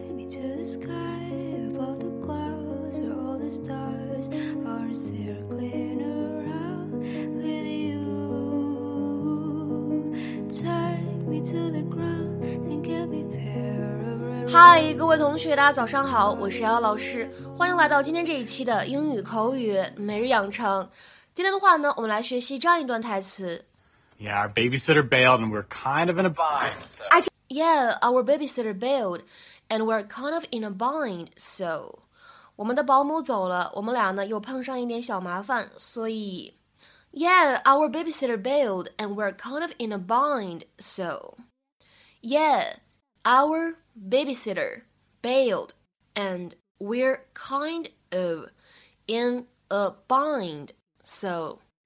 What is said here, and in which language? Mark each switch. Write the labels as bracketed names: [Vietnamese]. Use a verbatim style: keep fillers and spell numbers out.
[English] to the sky, above the clouds where all the stars are circling around with you. Take me to the ground and get me there. [Chinese] 嗨，各位同学，大家早上好，我是姚老师，欢迎来到今天这一期的英语口语每日养成。今天的话呢，我们来学习这样一段台词。 [English] Yeah, our babysitter bailed and we're kind of in a bind. So. I can- yeah, our babysitter bailed. And we're kind of in a bind, so [Chinese] 我们的保姆走了，我们俩呢又碰上一点小麻烦，所以 [English] Yeah, our babysitter bailed, and we're kind of in a bind, so Yeah, our babysitter bailed, and we're kind of in a bind, so